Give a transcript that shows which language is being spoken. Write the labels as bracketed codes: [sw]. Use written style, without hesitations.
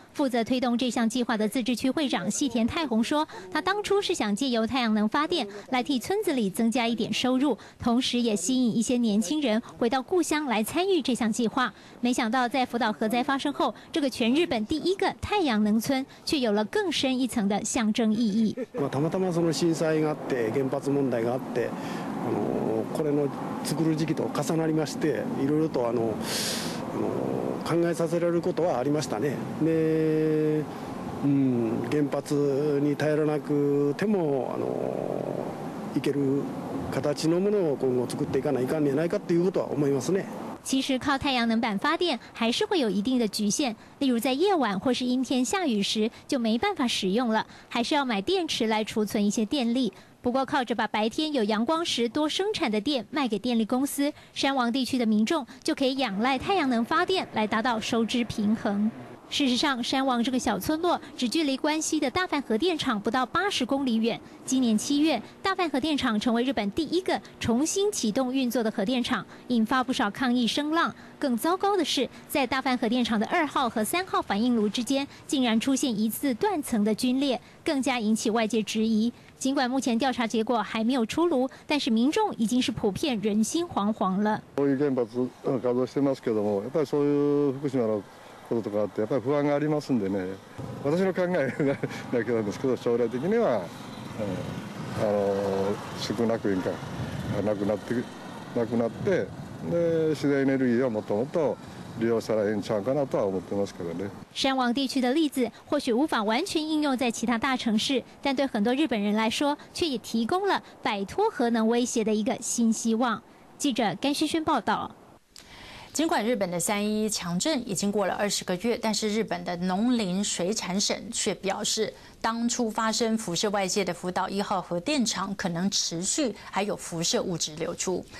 [zh] 负责推动这项计划的自治区会长细田太宏说，他当初是想借由太阳能发电来替村子里增加一点收入，同时也吸引一些年轻人回到故乡来参与这项计划。没想到在福岛核灾发生后，这个全日本第一个太阳能村却有了更深一层的象征意义。 [ja] たまたまその震災があって、原発問題があって、これの作る時期と重なりまして、いろいろと考えさせられることはありましたね。で、原発に頼らなくてもいける形のものを今後作っていかないかんじゃないかということは思いますね。 [zh] 其实靠太阳能板发电还是会有一定的局限，例如在夜晚或是阴天下雨时就没办法使用了，还是要买电池来储存一些电力。不过靠着把白天有阳光时多生产的电卖给电力公司，山王地区的民众就可以仰赖太阳能发电来达到收支平衡。事实上，山王这个小村落只距离关西的大范核电厂不到80公里远。今年七月，大范核电厂成为日本第一个重新启动运作的核电厂，引发不少抗议声浪。更糟糕的是，在大范核电厂的2号和3号反应炉之间，竟然出现一次断层的龟裂，更加引起外界质疑。尽管目前调查结果还没有出炉，但是民众已经是普遍人心惶惶了。 [ja] こういう原発稼働してますけども、やっぱりそういう福島のこととかあってやっぱり不安がありますんでね、私の考えだけなんですけど、将来的には、少なく因果なくなってなくなって、で自然エネルギーをもっともっと利用したらいいんちゃうかなとは思ってますけどね。 [zh] 山王地区的例子或许无法完全应用在其他大城市，但对很多日本人来说却也提供了摆脱核能威胁的一个新希望。记者甘萱萱报道。尽管日本的3.11强震已经过了20个月，但是日本的农林水产省却表示，当初发生辐射外泄的福岛一号核电厂可能持续还有辐射物质流出。